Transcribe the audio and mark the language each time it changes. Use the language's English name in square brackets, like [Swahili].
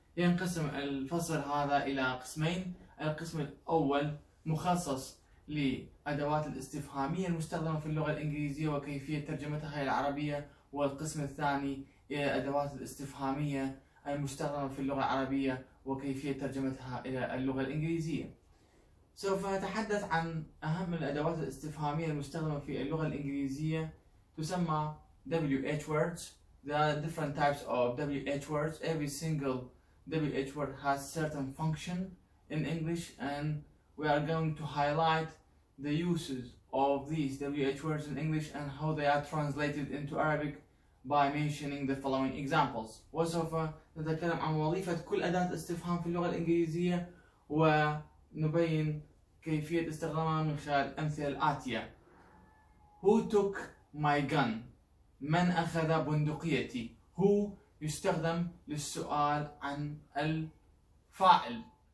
[Arabic] ينقسم الفصل هذا إلى قسمين. القسم الأول مخصص لأدوات الاستفهامية المستخدمة في اللغة الإنجليزية وكيفية ترجمتها إلى العربية، والقسم الثاني إلى الأدوات الاستفهامية المستخدمة في اللغة العربية وكيفية ترجمتها إلى اللغة الإنجليزية. سوف نتحدث عن أهم الأدوات الاستفهامية المستخدمة في اللغة الإنجليزية، تسمى WH words. [English] There are different types of WH words. Every single WH word has certain function in English, and we are going to highlight the uses of these WH words in English and how they are translated into Arabic by mentioning the following examples. [Arabic] وسوف نتكلم عن وظيفة كل أداة استفهام في اللغة الإنجليزية ونبين كيفية استخدامها من خلال أمثلة الآتية. [English] Who took my gun؟ [Arabic] من أخذ بندقيتي؟ Who يستخدم للسؤال عن الفاعل.